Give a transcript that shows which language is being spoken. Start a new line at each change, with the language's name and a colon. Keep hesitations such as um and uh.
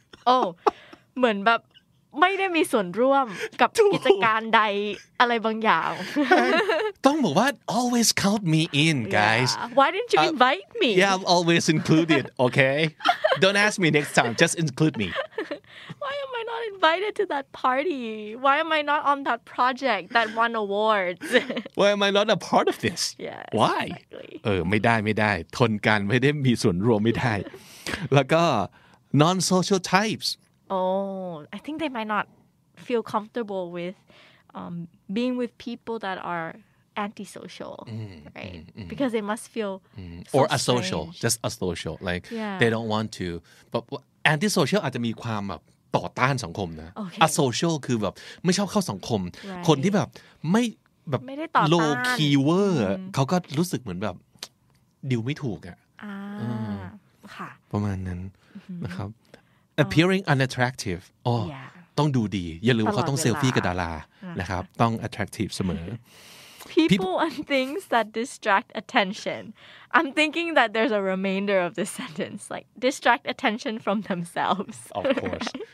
Thai: โอ้เหมือนแบบไม่ได้มีส่วนร่วมกับกิจการใดอะไรบางอย่าง ต้องบอกว่า
English: always count me in guys why didn't you invite me yeah I'm always included okay don't ask me next time just include me why am I not invited to that party why am I not on that project that won awards why am I not a part of this yeah why
Thai: เออไม่ได้ไม่ได้ ทนการไม่ได้มีส่วนร่วมไม่ได้ แล้วก็
English: non social types oh I think they might not feel comfortable with um, being with people that are antisocial mm, right mm, mm. because they must feel mm. so or a social just a social like yeah. they don't want to but antisocial
Thai: อาจจะมีความแบบต่อต้านสังคมนะ
English: okay. a social
Thai: คือแบบไม่ชอบเข้าสังคม
English: right.
Thai: คนที่แบบไม่แบบ
English: low key w o r d
Thai: เขาก็รู้สึกเหมือนแบบดิวไม่ถูกอะ่ะ ah. ประมาณนั้น mm-hmm. นะครับ
English: appearing unattractive อ oh, yeah.
Thai: ต้องดูดี อย่าลืมเขาต้องเซลฟี่กับดารา นะครับ ต้อง attractive เสมอ people
English: and things that distract attention I'm thinking that there's a remainder of this sentence like distract attention from themselves of course